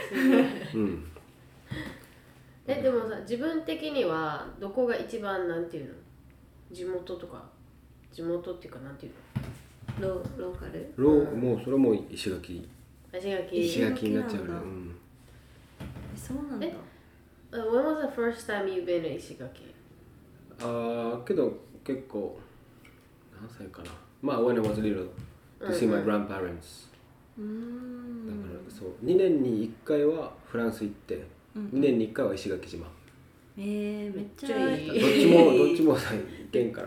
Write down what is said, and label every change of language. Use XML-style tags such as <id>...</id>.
<ja>ど、うん。でもさ、自分的にはどこが一番なんていうの？地元とか地元っていうかなんていうの？ローカル？ロー、うん、もうそれも石垣。石垣。石垣になっちゃうね。うん。そうなんだ。</ja> <en>When was the first time you been in 石垣？</en> <ja>ああ、けど結構何歳かな。まあ</ja> <en>when I was little。To see my grandparents. うん、</en> <ja>だからそう2年に1回はフランス行って、うん、2年に1回は石垣島。めっちゃいい。どっちもさ行けんから。</ja>